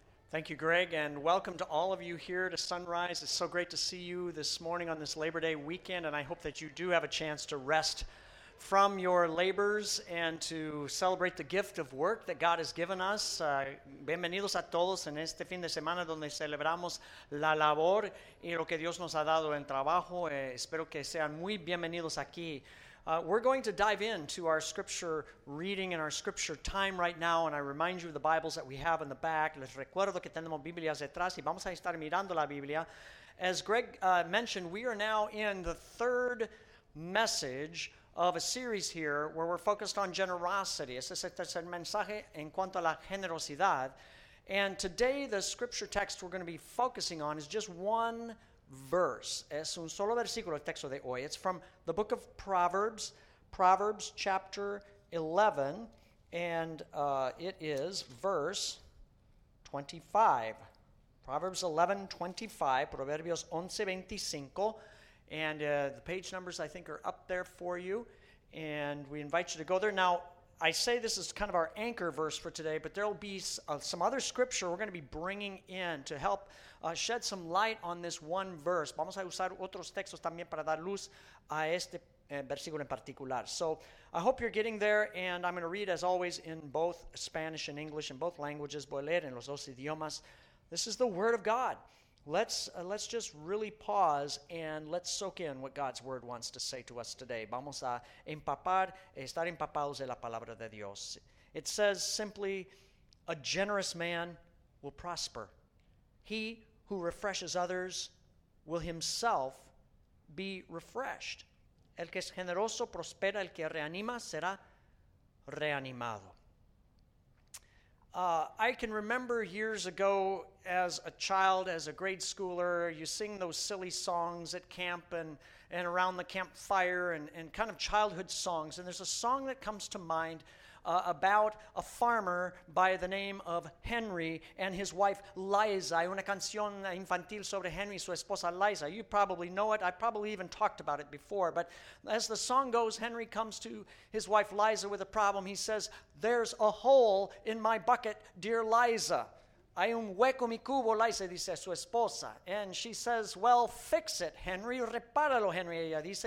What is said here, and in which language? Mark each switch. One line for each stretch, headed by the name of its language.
English: Thank you, Greg, and welcome to all of you here to Sunrise. It's so great to see you this morning on this Labor Day weekend, and I hope that you do have a chance to rest from your labors and to celebrate the gift of work that God has given us.
Spanish: Bienvenidos a todos en este fin de semana donde celebramos la labor y lo que Dios nos ha dado en trabajo. Espero que sean muy bienvenidos aquí.
English: We're going to dive into our scripture reading and our scripture time right now, and I remind you of the Bibles that we have in the back.
Spanish: Les recuerdo que tenemos Biblias detrás y vamos a estar mirando la Biblia.
English: As Greg mentioned, we are now in the third message of a series here where we're focused on generosity.
Spanish: Este es el tercer mensaje en cuanto a la generosidad.
English: And today the scripture text we're going to be focusing on is just one verse.
Spanish: Es un solo versículo el texto de hoy.
English: It's from the book of Proverbs, Proverbs chapter 11, and it is verse 25. Proverbs 11, 25, Proverbios 11, 25. And the page numbers, I think, are up there for you. And we invite you to go there. Now, I say this is kind of our anchor verse for today, but there will be some other scripture we're going to be bringing in to help shed some light on this one verse.
Spanish: Vamos a usar otros textos también para dar luz a este versículo en particular.
English: So I hope you're getting there, and I'm going to read, as always, in both Spanish and English, in both languages.
Spanish: Voy a leer en los dos idiomas.
English: This is the Word of God. Let's just really pause and let's soak in what God's Word wants to say to us today.
Spanish: Vamos a empapar, estar empapados de la palabra de Dios.
English: It says simply, a generous man will prosper. He who refreshes others will himself be refreshed.
Spanish: El que es generoso prospera, el que reanima será reanimado.
English: I can remember years ago as a child, as a grade schooler, you sing those silly songs at camp and around the campfire and kind of childhood songs. And there's a song that comes to mind about a farmer by the name of Henry and his wife Liza.
Spanish: Hay una canción infantil sobre Henry y su esposa Liza.
English: You probably know it. I probably even talked about it before. But as the song goes, Henry comes to his wife Liza with a problem. He says, "There's a hole in my bucket, dear Liza."
Spanish: Hay un hueco mi cubo, Liza, dice su esposa.
English: And she says, "Well, fix it, Henry.
Spanish: Repáralo, Henry," ella dice.